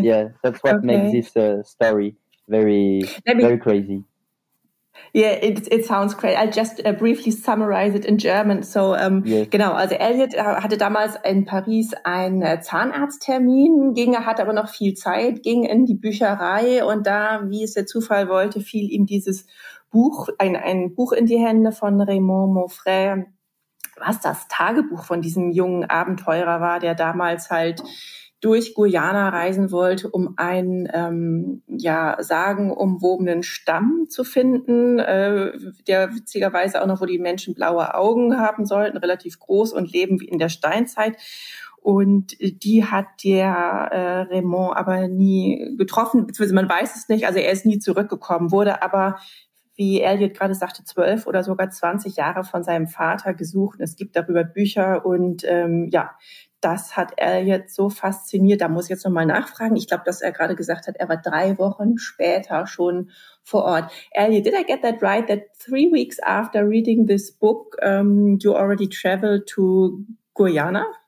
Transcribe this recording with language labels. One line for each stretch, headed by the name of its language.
English: Yeah, that's what makes this story very crazy. Yeah, it sounds great. I'll just briefly summarize it in German.
German: So genau, also Elliot hatte damals in Paris einen Zahnarzttermin, hatte aber noch viel Zeit, ging in die Bücherei und da, wie es der Zufall wollte, fiel ihm dieses Buch, ein Buch in die Hände von Remo Mofre, was das Tagebuch von diesem jungen Abenteurer war, der damals halt durch Guyana reisen wollte, um einen sagenumwobenen Stamm zu finden, der witzigerweise auch noch, wo die Menschen blaue Augen haben sollten, relativ groß und leben wie in der Steinzeit. Und die hat der Raymond aber nie getroffen, beziehungsweise man weiß es nicht, also er ist nie zurückgekommen, wurde aber, wie Elliot gerade sagte, 12 oder sogar 20 Jahre von seinem Vater gesucht. Es gibt darüber Bücher und das hat er jetzt so fasziniert. Da muss ich jetzt nochmal nachfragen. Ich glaube, dass er gerade gesagt hat, er war 3 Wochen später schon vor Ort.
English: Elliot, did I get that right, that 3 weeks after reading this book, you already traveled to Guyana?